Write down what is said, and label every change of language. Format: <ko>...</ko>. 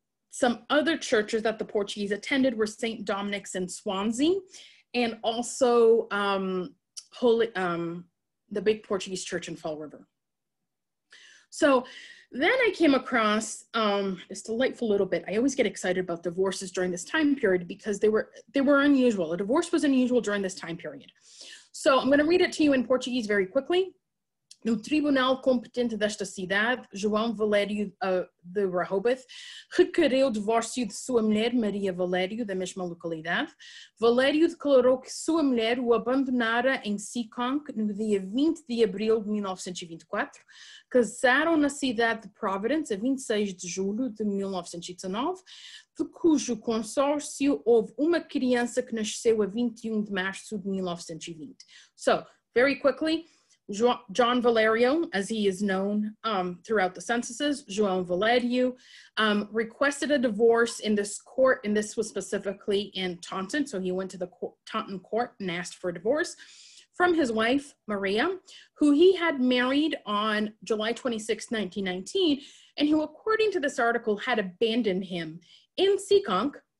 <en>Some other churches that the Portuguese attended were St. Dominic's in Swansea, and also the big Portuguese church in Fall River. So then I came across this delightful little bit. I always get excited about divorces during this time period because they were unusual. A divorce was unusual during this time period. So I'm going to read it to you in Portuguese very quickly.</en> <pt>No tribunal competente desta cidade, João Valério de Rehoboth requereu o divórcio de sua mulher, Maria Valério, da mesma localidade. Valério declarou que sua mulher o abandonara em Seekonk no dia 20 de abril de 1924. Casaram na cidade de Providence, a 26 de julho de 1919, de cujo consórcio houve uma criança que nasceu a 21 de março de 1920.</pt> <en>So, very quickly, John Valério, as he is known throughout the censuses, João Valério, requested a divorce in this court, and this was specifically in Taunton. So he went to the Taunton court and asked for a divorce from his wife, Maria, who he had married on July 26, 1919, and who, according to this article, had abandoned him in Seekonk.</en>